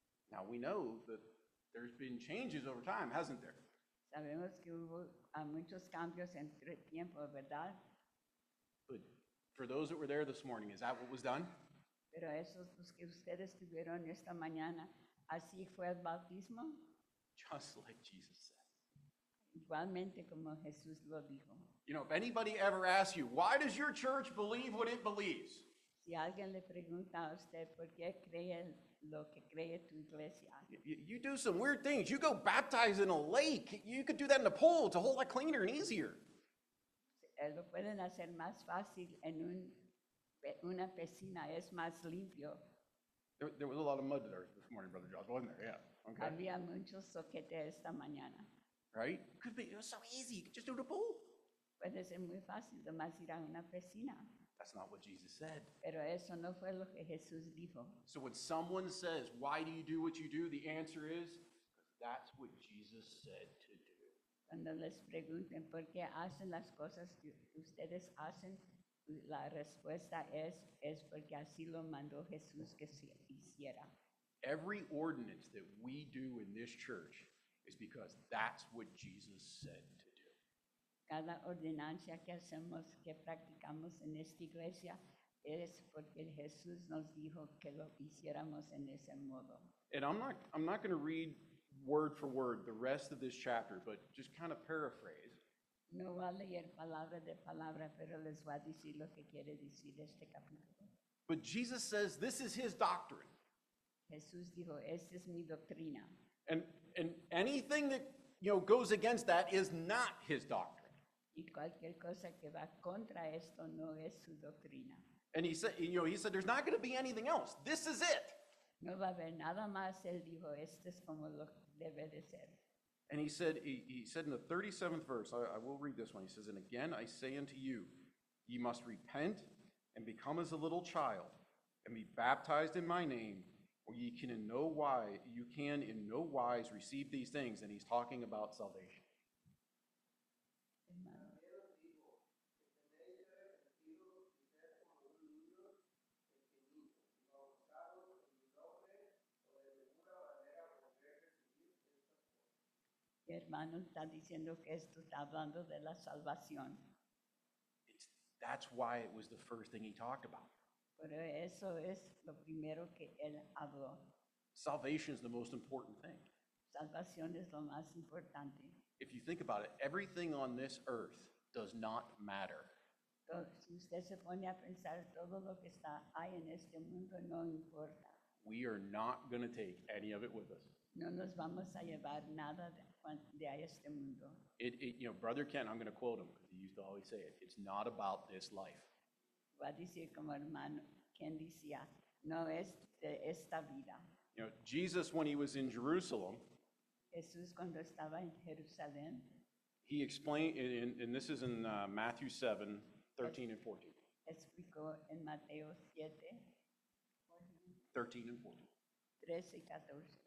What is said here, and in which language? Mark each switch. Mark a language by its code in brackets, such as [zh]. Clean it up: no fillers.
[en] Now we know that there's been changes over time, hasn't there? [es] Sabemos que hubo muchos cambios entre tiempo, ¿verdad? [en] But for those that were there this morning, is that what was done? [es] Pero esos los que ustedes estuvieron esta mañana, ¿así fue el bautismo? [en] Just like Jesus said. [es] Igualmente como Jesús lo dijo. [en] You know, if anybody ever asks you, why does your church believe what it believes? [es] Si alguien le pregunta a usted por qué cree lo que cree tu iglesia. [en] You do some weird things. You go baptize in a lake. You could do that in a pool. It's a whole lot cleaner and easier. [es] Lo pueden hacer más fácil en una piscina. Es más limpio. [en] There was a lot of mud there this morning, Brother Josh, wasn't there? Yeah. Okay. [es] Había mucho soquete esta mañana. [en] Right? It was so easy. You could just do the pool. [es] Puede ser muy fácil nomás ir a una piscina. [en] That's not what Jesus said. [es] Pero eso no fue lo que Jesús dijo. [en] So when someone says, why do you do what you do? The answer is, that's what Jesus said to do. [es] Cuando les pregunten por qué hacen las cosas que ustedes hacen, la respuesta es porque así lo mandó Jesús que se hiciera. [en] Every ordinance that we do in this church is because that's what Jesus said to do. [es] Cada ordenanza que hacemos, que practicamos en esta iglesia, es porque Jesús nos dijo que lo hiciéramos en ese modo. [en] And I'm not going to read word for word the rest of this chapter, but just kind of paraphrase. [es] No voy a leer palabra de palabra, pero les voy a decir lo que quiere decir este capítulo. [en] But Jesus says this is his doctrine. [es] Jesús dijo, esta es mi doctrina. [en] And anything that, you know, goes against that is not his doctrine. [es] Y cualquier cosa que va contra esto no es su doctrina. [en] And he said, you know, he said, there's not going to be anything else. This is it. [es] No va a haber nada más. Él dijo, esto es como lo debe de ser. [en] And he said in the 37th verse, I will read this one. He says, and again, I say unto you, ye must repent and become as a little child and be baptized in my name, or ye can in no wise, you can in no wise receive these things. And he's talking about salvation. [es] Hermano está diciendo que esto está hablando de la salvación. [en] That's why it was the first thing he talked about. [es] Pero eso es lo primero que él habló. [en] Salvation is the most important thing. [es] Salvación es lo más importante. [en] If you think about it, everything on this earth does not matter. [es] Si usted se pone a pensar, todo lo que está ahí en este mundo no importa. [en] We are not going to take any of it with us. [es] No nos vamos a llevar nada de este mundo. [en] It, you know, Brother Kent, I'm going to quote him because he used to always say it. It's not about this life. [es] Va a decir como hermano Kent decía, no es de esta vida. [en] You know, Jesus, when he was in Jerusalem, [es] Jesús cuando estaba en Jerusalén, [en] he explained, and this is in Matthew 7, 13 and 14. [es] Explicó en Mateo 7, 14. [en] 13 and 14. [es] 13 y 14.